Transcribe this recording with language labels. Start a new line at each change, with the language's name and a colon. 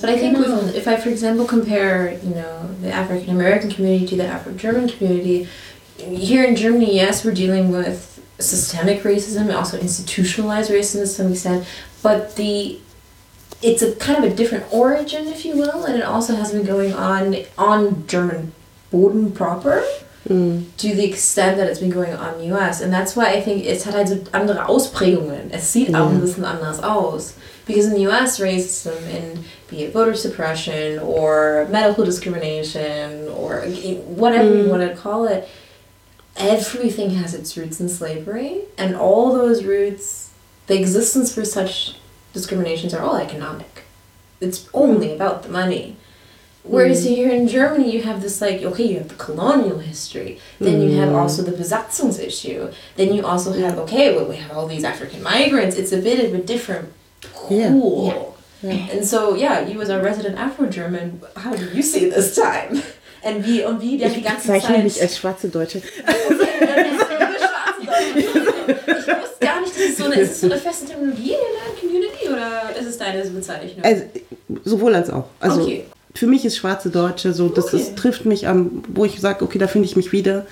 English: But I think if I, for example, compare, you know, the African-American community to the Afro-German community, here in Germany, yes, we're dealing with systemic racism, also institutionalized racism to some extent, but it's a kind of a different origin, if you will, and it also has been going on German Boden proper to the extent that it's been going on in the US. And that's why I think it's had also
German: andere Ausprägungen. Es sieht auch ein bisschen anders aus.
English: Because in the US, racism, and be it voter suppression or medical discrimination or whatever you want to call it, everything has its roots in slavery, and all those roots, the existence for such discriminations are all economic. It's only about the money. Whereas here in Germany, you have this like, okay, you have the colonial history. Then you have also the Besatzungs issue. Then you also have, okay, well, we have all these African migrants. It's a bit of a different pool. Yeah. Yeah. Yeah. And so, yeah, you as a resident Afro-German, how do you see this time?
German: And wie, und wie, ich bezeichne mich als schwarze Deutsche. Okay, dann ist es eine schwarze Deutsche. Ich wusste gar nicht, ist es so eine feste Terminologie in deiner Community oder ist es deine Bezeichnung? Also, sowohl als auch. Also, okay. Für mich ist schwarze Deutsche so, das okay. Ist, trifft mich am, wo ich sage, okay, da finde ich mich wieder.